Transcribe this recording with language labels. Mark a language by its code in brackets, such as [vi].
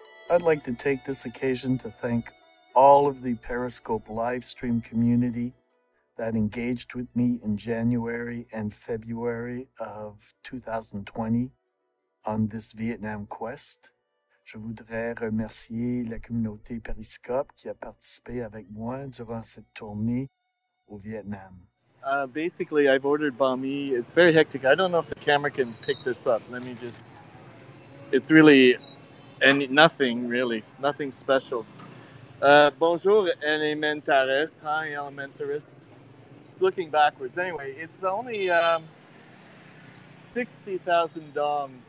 [en] I'd like to take this occasion to thank all of the Periscope livestream community that engaged with me in January and February of 2020 on this Vietnam quest. [fr] Je voudrais remercier la communauté Periscope qui a participé avec moi durant cette tournée au Vietnam. [en] Basically, I've ordered banh mi. It's very hectic. I don't know if the camera can pick this up. Let me just... It's really... And nothing, really. Nothing special. Bonjour, elementaris. Hi, elementaris. It's looking backwards. Anyway, it's only 60,000 dong.